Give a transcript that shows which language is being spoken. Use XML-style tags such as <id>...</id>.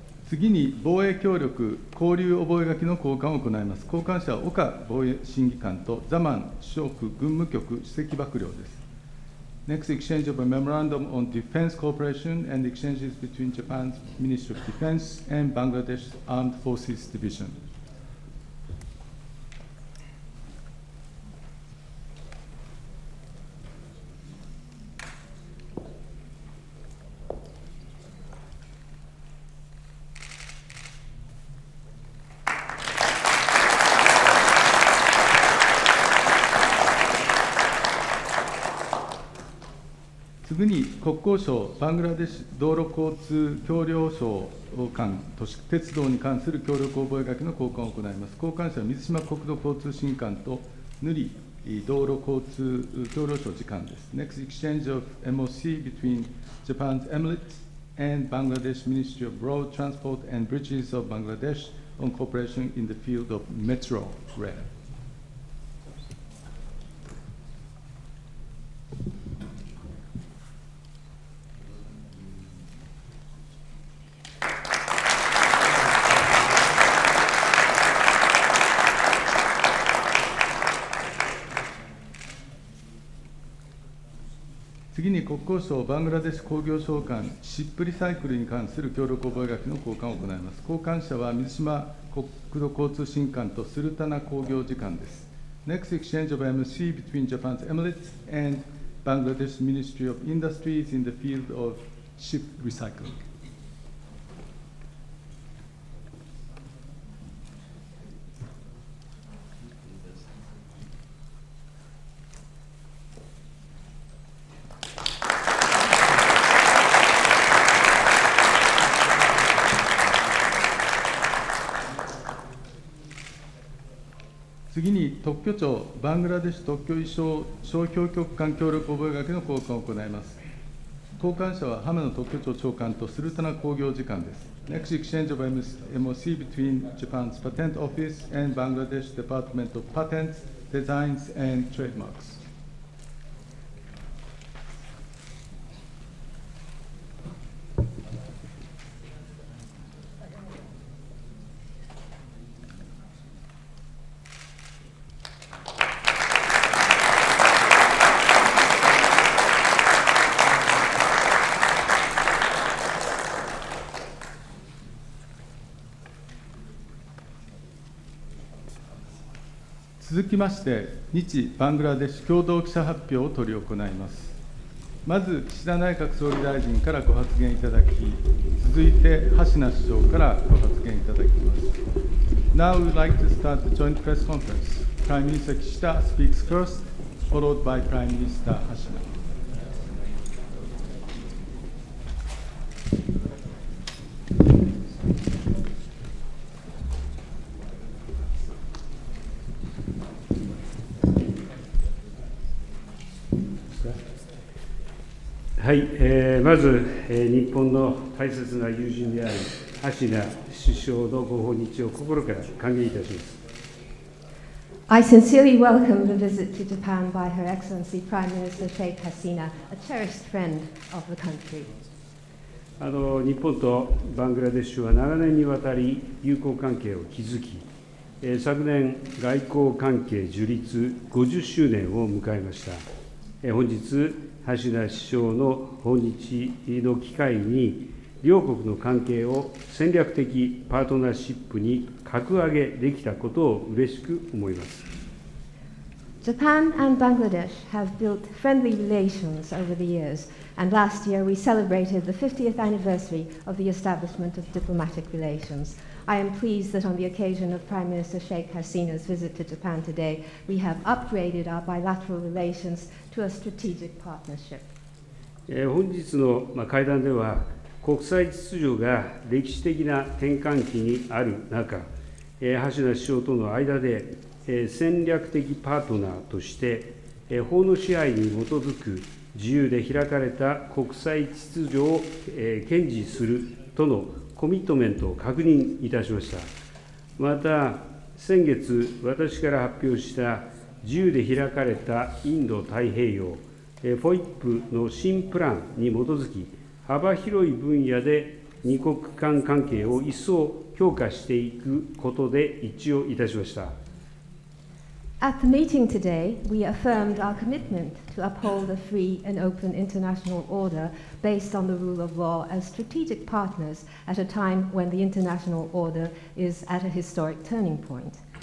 <ja>次に防衛協力交流覚書の交換を行います。交換者は岡防衛審議官とザマン首相府軍務局首席幕僚です。</ja> <en>Next exchange of a memorandum on defense cooperation and exchanges between Japan's Ministry of Defense and Bangladesh Armed Forces Division。</en> <ja>次に国交省バングラデシュ道路交通協力省間都市鉄道に関する協力覚書の交換を行います。交換者は水島国土交通審議官とヌリ道路交通協力省次官です。</ja> <en>Next exchange of MOC between Japan's Emirates and Bangladesh Ministry of Road Transport and Bridges of Bangladesh on cooperation in the field of Metro Rail。</en> <ja>次に国交省バングラデシュ工業省間シップリサイクルに関する協力覚書の交換を行います。交換者は水島国土交通審議官とスルタナ工業次官です。</ja> <en>Next exchange of MC between Japan's Emirates and Bangladesh Ministry of Industries in the field of ship recycling。</en> <ja>次に特許庁バングラデシュ特許衣装商標局間協力覚書の交換を行います。交換者は浜野特許庁長官とスルタナ工業次官です。</ja> <en>Next exchange of MOC between Japan's Patent Office and Bangladesh Department of Patents, Designs and Trademarks。</en> <ja>続きまして日バングラデシュ共同記者発表を執り行います。まず岸田内閣総理大臣からご発言いただき、続いて橋名首相からご発言いただきます。</ja> <en>Now we'd like to start the joint press conference. Prime Minister 岸田 speaks first, followed by Prime Minister 橋名。</en> <ja>はい、まず、日本の大切な友人である橋名首相のご訪日を心から歓迎いたします。</ja> <en>I sincerely welcome the visit to Japan by Her Excellency Prime Minister Sheikh Hasina, a cherished friend of the country.</en> <ja>日本とバングラデシュは長年にわたり友好関係を築き、昨年外交関係樹立50周年を迎えました。本日橋名首相の訪日の機会に、両国の関係を戦略的パートナーシップに格上げできたことを嬉しく思います。</ja> <en>Japan and Bangladesh have built friendly relations over the years, and last year we celebrated the 50th anniversary of the establishment of diplomatic relations. I am pleased that on the occasion of Prime Minister Sheikh Hasina's visit to Japan today, we have upgraded our bilateral relations to a strategic partnership.</en> <ja>本日の会談では、国際秩序が歴史的な転換期にある中、橋名首相との間で戦略的パートナーとして、法の支配に基づく自由で開かれた国際秩序を堅持するとのコミットメントを確認いたしました。また、先月私から発表した自由で開かれたインド太平洋、FOIP の新プランに基づき、幅広い分野で二国間関係を一層強化していくことで一致をいたしました。</ja> <en>At the meeting today, we affirmed our commitment to uphold a free and open international order based on the rule of law as strategic partners at a time when the international order is at a historic turning point.</en>